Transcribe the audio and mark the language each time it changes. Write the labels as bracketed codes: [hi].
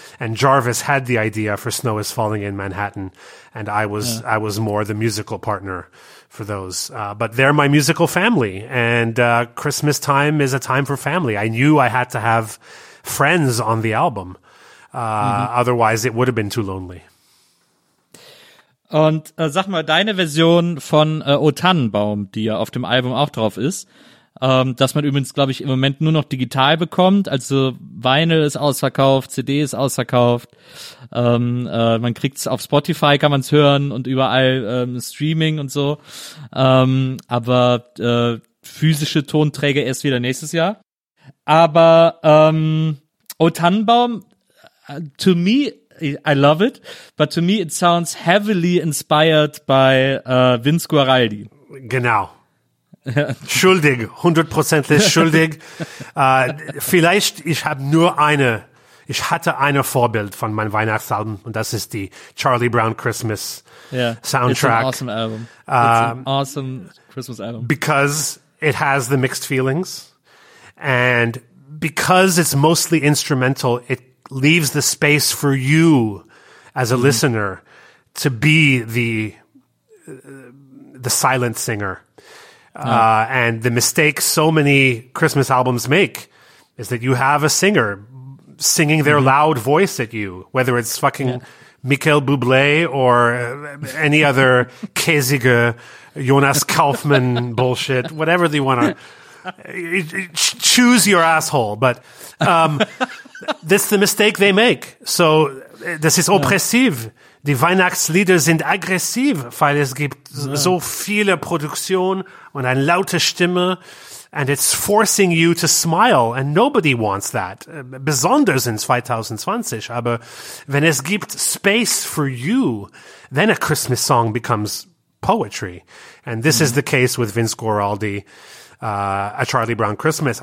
[en] And Jarvis had the idea for Snow is Falling in Manhattan, and I was I was more the musical partner for those. But they're my musical family, and Christmas time is a time for family. I knew I had to have friends on the album. Otherwise, it would have been too lonely. [de] Und sag mal, deine Version von O Tannenbaum, die ja auf dem Album auch drauf ist, dass man übrigens, glaube ich, im Moment nur noch digital bekommt. Also Vinyl ist ausverkauft, CD ist ausverkauft. Man kriegt es auf Spotify, kann man es hören und überall Streaming und so. Aber physische Tonträger erst wieder nächstes Jahr. [en] Aber O Tannenbaum, to me, I love it, but to me it sounds heavily inspired by Vince Guaraldi. [de] Genau. Schuldig, hundertprozentig schuldig. Vielleicht, ich hatte eine Vorbild von meinem Weihnachtsalbum, und das ist die Charlie Brown Christmas Soundtrack. [en] It's an awesome album. It's an awesome Christmas album. Because it has the mixed feelings, and because it's mostly instrumental, it leaves the space for you as a listener to be the silent singer. And the mistake so many Christmas albums make is that you have a singer singing their loud voice at you, whether it's fucking Michael Bublé or any other Käsige, Jonas Kaufmann bullshit, whatever you want to choose your asshole. But, this is the mistake they make. [de] So, das ist oppressiv. Die Weihnachtslieder sind aggressiv, weil es gibt so viele Produktion und eine laute Stimme. [en] And it's forcing you to smile. And nobody wants that. [de] Besonders in 2020. Aber wenn es gibt [en] space for you, then a Christmas song becomes poetry. And this is the case with Vince Guaraldi, A Charlie Brown Christmas.